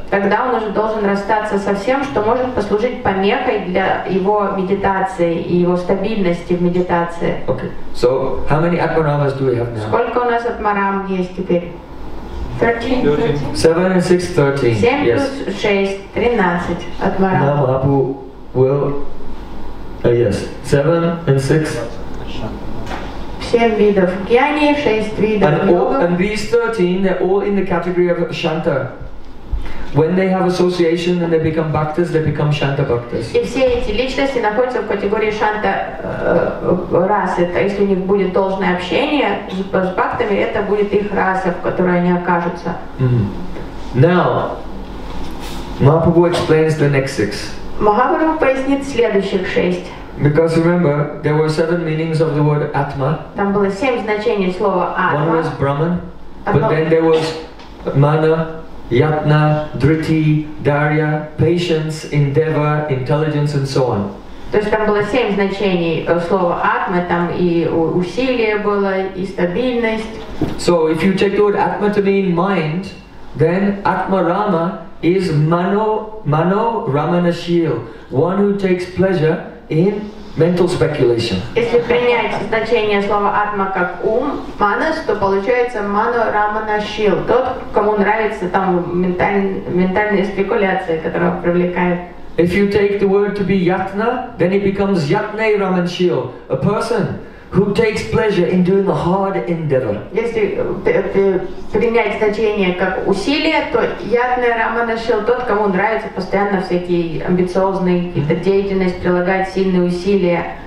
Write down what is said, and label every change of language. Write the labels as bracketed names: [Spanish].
[Russian] Тогда он уже должен расстаться со всем, что может послужить помехой для его медитации и его стабильности в медитации. [English] Okay. So, how many atmaramas do we have now? [Russian] Сколько у нас атмарам есть теперь? [English] 13. 7 and 6, 13. 7 plus 6, 13. Atmaram. Namabu will. Yes. 7 and 6. 7 Vedas. Gyani, 6 Vedas. And these 13, they're all in the category of Shanta. When they have association and they become bhaktas, they become Shanta bhaktas. [Russian] И все эти личности находятся в категории Shanta расы. То есть у них будет должное общение с бхактами, это будет их раса, в которой они окажутся. [English] Now, Mahaprabhu explains the next six. [Russian] Mahaprabhu пояснит следующих шесть. [English] Because remember, there were 7 meanings of the word Atma. [Russian] Там было 7 значений слова Атма. [English] One was Brahman, but then there was Mana, Yatna, Dhriti, Darya, Patience, Endeavor, Intelligence, and so on. [Russian] То есть там было 7 значений слова Атма, там и усилие было, и стабильность. [English] So if you take the word Atma to mean mind, then Atmarama is Mano Ramana Shil, one who takes pleasure in mental speculation. [Russian] Если принять значение слова атма как ум, манас, то получается мано рамана шил. Тот, кому нравится там ментальные спекуляции, которые привлекают. [English] If you take the word to be yatna, then it becomes yatne raman shil, a person who takes pleasure in doing a hard endeavor. [Russian] Если принять значение как усилие, то ятна рамана шил тот, кому нравится постоянно всякие амбициозные какие-то деятельности, прилагать сильные усилия.